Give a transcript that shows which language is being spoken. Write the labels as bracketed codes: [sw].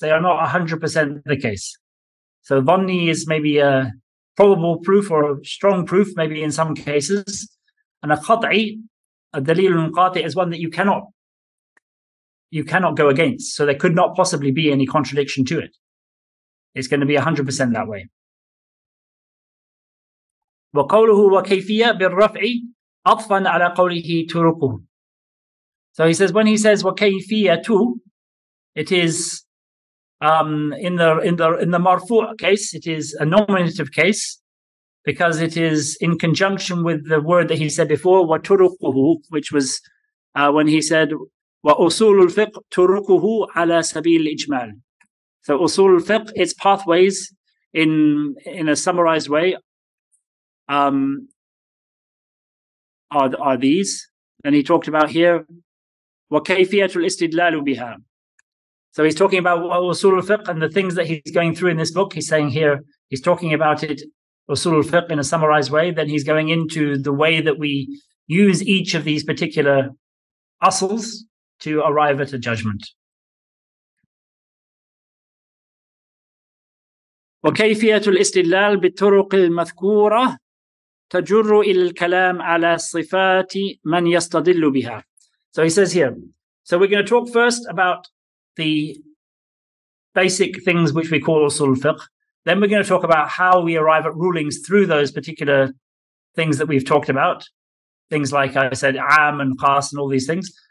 [en] They are not 100% the case. So ظني is maybe a probable proof or a strong proof, maybe in some cases. And a قطعي, a دليل قاطع, is one that you cannot go against. So there could not possibly be any contradiction to it. It's going to be 100% that way. [ar] وقوله وكيفية بالرفع عطفا على قوله تركه. [en] So he says, when he says وكيفية تو, it is in the مرفوع case, it is a nominative case, because it is in conjunction with the word that he said before, وتركه, which was when he said [ar] وأصول الفقه تركه على سبيل الإجمال. [en] So أصول الفقه, its pathways, in a summarized way, are these. And he talked about here, [ar] وكيفية الاستدلال بها. [en] So he's talking about أصول الفقه and the things that he's going through in this book. He's saying here, he's talking about it, أصول الفقه, in a summarized way. Then he's going into the way that we use each of these particular أصلs to arrive at a judgment. [ar] وكيفية الاستدلال بالطرق المذكورة تجر إلى الكلام على صفات من يستدل بها. [en] So he says here, so we're going to talk first about the basic things which we call usul fiqh. Then we're going to talk about how we arrive at rulings through those particular things that we've talked about, things like I said, am and qas and all these things.